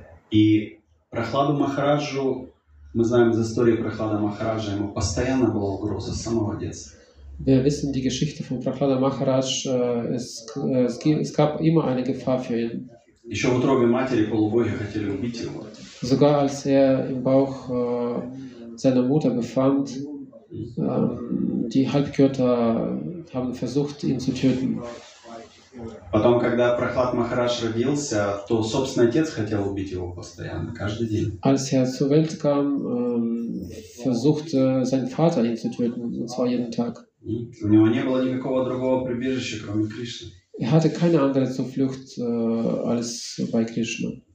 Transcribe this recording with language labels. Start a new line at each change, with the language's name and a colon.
Russian: И Прохладу Махараджу, мы знаем из истории Прохлада Махараджа, ему постоянно была угроза с самого детства.
German: Wir wissen die Geschichte von Прохлада Махарадж, es gab immer eine Gefahr für ihn.
Russian: Еще в утробе матери полубоги хотели убить его.
German: Sogar als im Bauch seiner Mutter befand, die Halbgötter haben versucht, ihn zu töten.
Russian: Потом, когда Прохлад Махарадж родился, то собственный отец хотел убить его постоянно, каждый день.
German: Als zur Welt kam, versuchte sein Vater ihn zu töten, und zwar jeden Tag.
Russian: У него не было никакого другого прибежища, кроме Кришны.
German: Er hatte keine andere Zuflucht als bei Krishna.